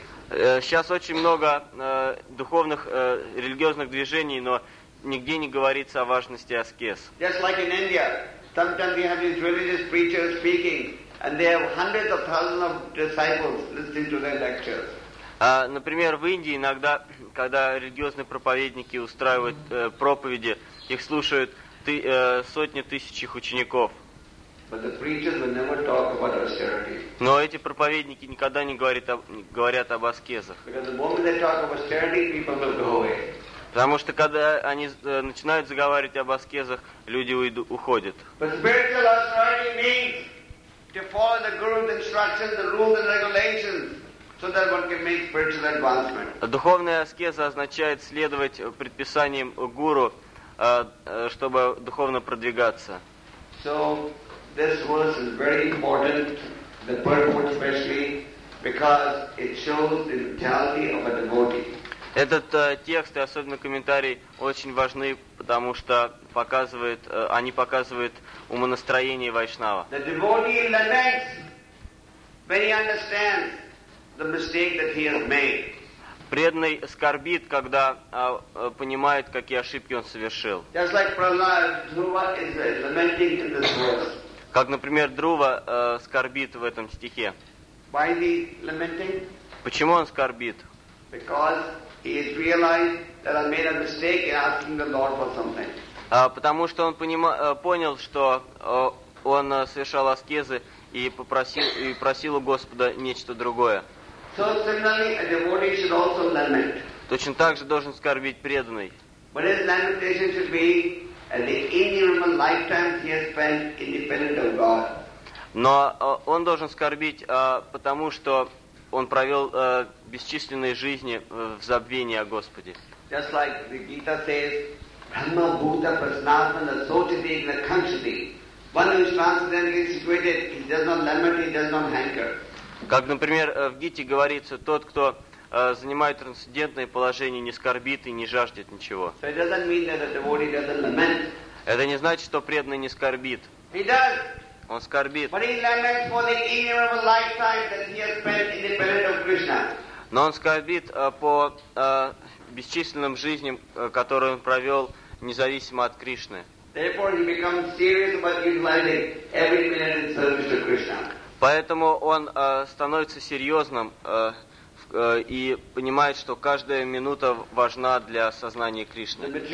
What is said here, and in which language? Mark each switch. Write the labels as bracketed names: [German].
[Russian] Сейчас очень много духовных, религиозных движений, но нигде не говорится о важности аскез. [English] Just like in India, sometimes we have these religious preachers speaking, and they have hundreds of thousands of disciples listening to their lectures. [Russian] Например, в Индии иногда, когда религиозные проповедники устраивают проповеди, их слушают сотни тысяч учеников. [English] But the preachers will never talk about austerity. [Russian] Но эти проповедники никогда не говорят об аскезах. [English] Because the moment they talk of austerity, people will go away. [Russian] Потому что когда они начинают заговаривать об аскезах, люди уходят. [English] But spiritual austerity means to follow the guru's instructions, the rules and regulations, so that one can make spiritual advancement. [Russian] Духовная аскеза означает следовать предписаниям гуру, чтобы духовно продвигаться. [English] So this verse is very important, the purport especially, because it shows the mentality of a devotee. [Russian] Этот текст и особенно комментарий очень важны, потому что показывают умонастроение вайшнава. [English] The devotee laments when he understands the mistake that he has made. [Russian] Преданный скорбит, когда понимает, какие ошибки он совершил. [English] Just like Prahlad, Dhruva is lamenting in this verse. [Russian] Как, например, Друва скорбит в этом стихе. [English] Why is he lamenting? [Russian] Почему он скорбит? [English] Because he has realized that I made a mistake in asking the Lord for something. [Russian] Потому что он понял, что он совершал аскезы и просил у Господа нечто другое. [English] So similarly, a devotee should also lament. [Russian] Точно так же должен скорбить преданный. [English] But his lamentation should be and the innumerable lifetimes he has spent independent of God. [Russian] Но он должен скорбить, потому что он провел бесчисленные жизни в забвении о Господе. [English] Just like the Gita says, Brahma Bhuta Prasnasana Sochiti in the Kanchati. One who is transcendentally situated, he does not lament, he does not hanker. [Russian] Как, например, в Гите говорится, тот, кто занимает трансцендентное положение, не скорбит и не жаждет ничего. [English] So it doesn't mean that the devotee doesn't lament. [Russian] Это не значит, что преданный не скорбит. [English] He does. [Russian] Он скорбит. [English] But he laments for the innumerable lifetime that he has spent independent of Krishna. [Russian] Но он скорбит по бесчисленным жизням, которые он провел независимо от Кришны. [English] Therefore he becomes serious about utilizing every minute in service to Krishna. [Russian] Поэтому он становится серьезным и понимает, что каждая минута важна для сознания Кришны.